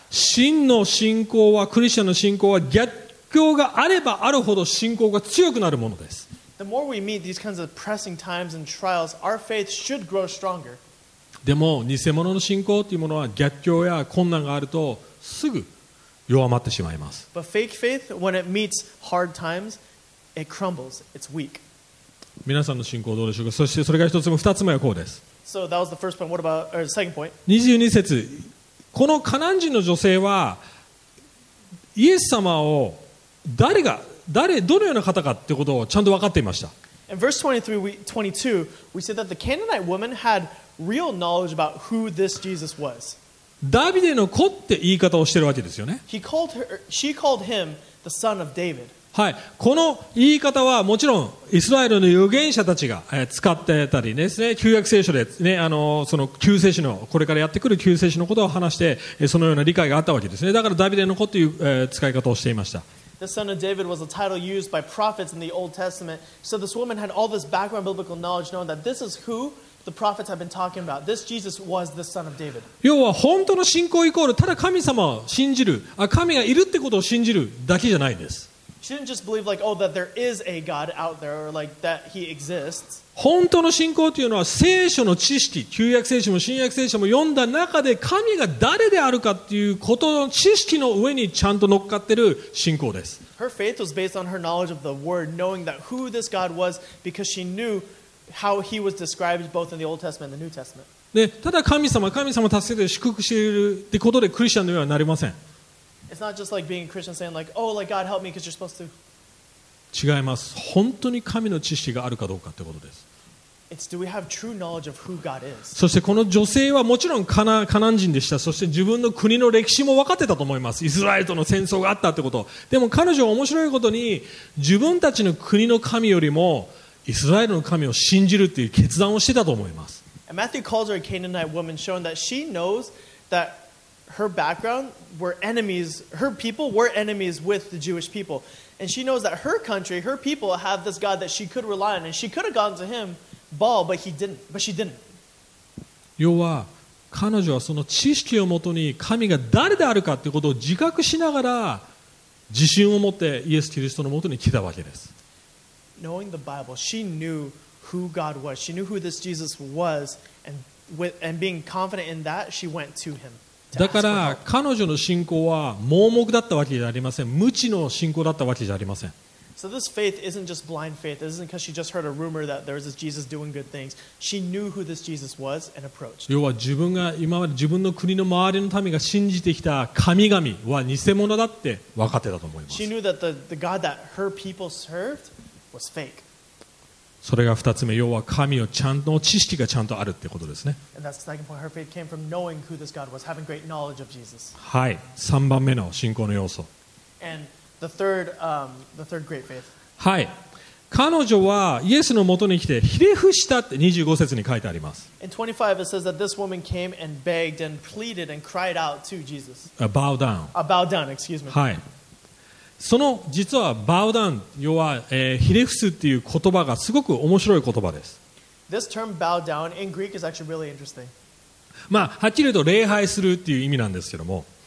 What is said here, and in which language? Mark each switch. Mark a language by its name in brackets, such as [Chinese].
[Japanese] 真の信仰はクリスチャンの信仰は逆境があればあるほど信仰が強くなるものです。 [English] The more we meet these kinds of pressing times and trials, our faith should grow stronger. [Japanese] でも偽物の信仰というものは逆境や困難があるとすぐ弱まってしまいます。 [English] But fake faith, when it meets hard times, it crumbles. It's weak. [Japanese] 皆さんの信仰どうでしょうか。そしてそれが一つ目、二つ目はこうです。 [English] So that was the first point. What about or the second point? [Japanese] 22節、このカナン人の女性はイエス様を誰が誰どのような方かってことをちゃんと分かっていました。 [English] In verse 22, we said that the Canaanite woman had real knowledge about who this Jesus was. [Japanese] ダビデの子って言い方をしてるわけですよね。 [English] He called her, she called him the son of David. [Japanese] はい、この言い方はもちろんイスラエルの預言者たちが使ってたりですね、旧約聖書でね、その救世主のこれからやってくる救世主のことを話してそのような理解があったわけですね。だからダビデの子という使い方をしていました。 [English] The son of David was a title used by prophets in the Old Testament. So this woman had all this background biblical knowledge, knowing that this is who the prophets have been talking about. This Jesus was the son of David. [Japanese] 要は本当の信仰イコールただ神様を信じる、あ、神がいるってことを信じるだけじゃないんです。 [English] She didn't just believe like, oh, that there is a God out there or like that he exists. [Japanese] 本当の信仰というのは聖書の知識、旧約聖書も新約聖書も読んだ中で神が誰であるかっていうことの知識の上にちゃんと乗っかってる信仰です。 [English] Her faith was based on her knowledge of the word, knowing that who this God was because she knew how he was described both in the Old Testament and the New Testament. [Japanese] で、ただ神様を助けて祝福しているってことでクリスチャンのようにはなりません。 [English] It's not just like being a Christian saying like, oh, like God help me because you're supposed to. [Japanese] 違います。本当に神の知識があるかどうかってことです。 [English] It's do we have true knowledge of who God is? [Japanese] そしてこの女性はもちろんカナン人でした。そして自分の国の歴史も分かってたと思います。イスラエルとの戦争があったってこと。でも彼女は面白いことに自分たちの国の神よりもイスラエルの神を信じるっていう決断をしてたと思います。 [English] And Matthew calls her a Canaanite woman, showing that she knows that. Her background were enemies, her people were enemies with the Jewish people. And she knows that her country, her people have this God that she could rely on. And she could have gone to him, Baal, but she didn't. [Japanese] 要は彼女はその知識をもとに神が誰であるかということを自覚しながら自信を持ってイエス・キリストのもとに来たわけです。 [English] Knowing the Bible, she knew who God was. She knew who this Jesus was. And being confident in that, she went to him. [Japanese] だから彼女の信仰は盲目だったわけじゃありません。無知の信仰だったわけじゃありません。 [English] So this faith isn't just blind faith. It isn't because she just heard a rumor that there was this Jesus doing good things. She knew who this Jesus was and approached. [Japanese] 要は自分が今まで自分の国の周りの民が信じてきた神々は偽物だって分かってたと思います。 [English] She knew that the God that her people served was fake. [Japanese] それが二つ目、要は神をちゃんと知識がちゃんとあるってことですね。 [English] And that's the second point. Her faith came from knowing who this God was, having great knowledge of Jesus. [Japanese] はい、三番目の信仰の要素。 [English] And the third great faith. [Japanese] はい、彼女はイエスの元に来てひれ伏したって25節に書いてあります。 [English] In 25 it says that this woman came and begged and pleaded and cried out to Jesus. A bow down, excuse me. [Japanese] はい。その実はバウダウン、要は、ひれ伏すっていう言葉がすごく面白い言葉です。 [English] This term bow down in Greek is actually really interesting. [Japanese] まあ、はっきり言うと礼拝するっていう意味なんですけども。